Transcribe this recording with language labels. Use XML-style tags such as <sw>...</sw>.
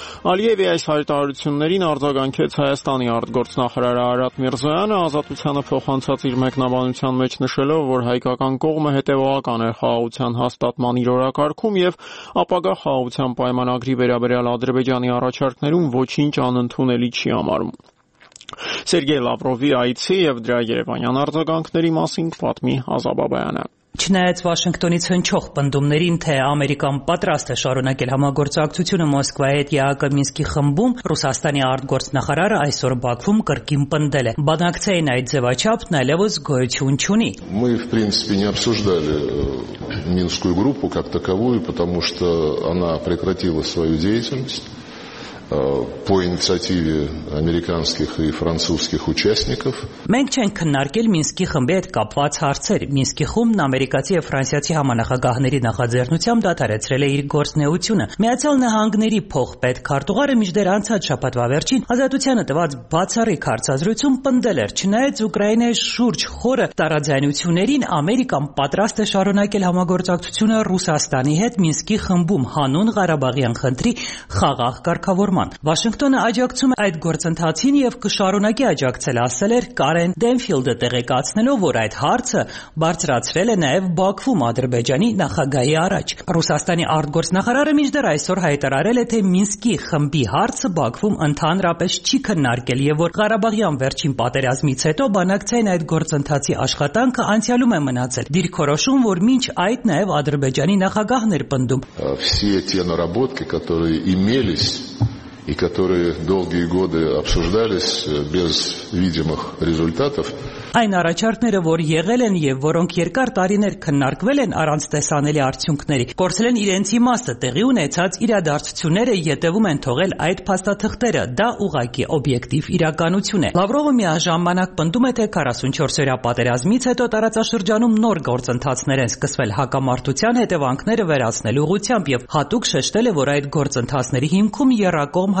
<hy>Ալիևի այս հայտարարություններին արձագանքեց Հայաստանի արտգործնախարար Արադ Միրզոյանը, Ազատությանը փոխանցած իր մեկնաբանության մեջ նշելով, որ հայկական կողմը հետևողական է խաղաղության հաստատման իրօրակարգում և ապագա խաղաղության պայմանագրի վերաբերյալ Ադրբեջանի առաջարկներում ոչինչ անընդունելի չի համարում։ Սերգեյ Լավրովի այցի և դրա երևանյան արձագանքների մասին պատմի Ազա Բաբայանը։ Չնայած Վաշինգտոնից հնչող պնդումներին, թե Ամերիկան պատրաստ է շարունակել համագործակցությունը Մոսկվայի հետ ԵԱԿ Մինսկի խմբում, Ռուսաստանի արտգործնախարարը այսօր Բաքվում կրկին պնդել է. Բանակցային այդ ձևաչափն այլևս գոյություն չունի։</hy> <ru>Мы, в принципе, не обсуждали Минскую группу как таковую, потому что она прекратила свою деятельность по инициативе американских и французских участников.</ru> <hy>Մենք չենք քննարկել Մինսկի խմբի հետ կապված հարցեր։ Մինսկի խումբն ամերիկացի և ֆրանսիացի համանախագահների նախաձեռնությամբ դադարեցրել է իր գործունեությունը։ Միացյալ Նահանգների փոխպետ քարտուղարը միջդեռ անցած շաբաթվա վերջին Ազատությանը տված բացառիկ հարցազրույցում պնդել էր, չնայած Ուկրաինայի շուրջ խորը տարաձայնություններին, Ամերիկան պատրաստ է շարունակել համագործակցությունը Ռուսաստանի հետ Մինսկի խմբում հանուն Ղարաբաղյան խնդրի խաղաղ կարգավորման։ Վաշինգտոնը աջակցում է այդ գործընթացին և կշարունակի աջակցել, ասել էր Կարեն Դենֆիլդը, տեղեկացնելով, որ այդ հարցը բարձրացրել է նաև Բաքվում Ադրբեջանի նախագահի առաջ։ Ռուսաստանի արտգործնախարարը միջդեռ այսօր հայտարարել է, թե Մինսկի խմբի հարցը Բաքվում ընդհանրապես չի քննարկել և որ Ղարաբաղյան վերջին պատերազմից հետո բանակցային այդ գործընթացի աշխատանքը անցյալում է մնացել, դիրքորոշում, որ մինչ այդ նաև Ադրբեջանի նախագահն էր պնդում։</hy> <ru>Все те наработки, которые имелись и которые долгие годы обсуждались без видимых результатов.</ru> <hy>Այն առաջարկները, որ եղել են և որոնք երկար տարիներ քննարկվել են առանց տեսանելի արդյունքների, կորցրել են իրենց իմաստը, տեղի ունեցած իրադարձությունները յետևում են թողել այդ փաստաթղթերը, դա ուղղակի օբյեկտիվ իրականություն է։ Լավրովը միաժամանակ պնդում է, թե 44-օրյա պատերազմից հետո տարածաշրջանում նոր գործընթացներ են սկսվել հակամարտության հետևանքները վերացնելու ուղղությամբ և հատուկ շեշտել է, որ այդ գործընթացների հիմքում եռակողմ</hy>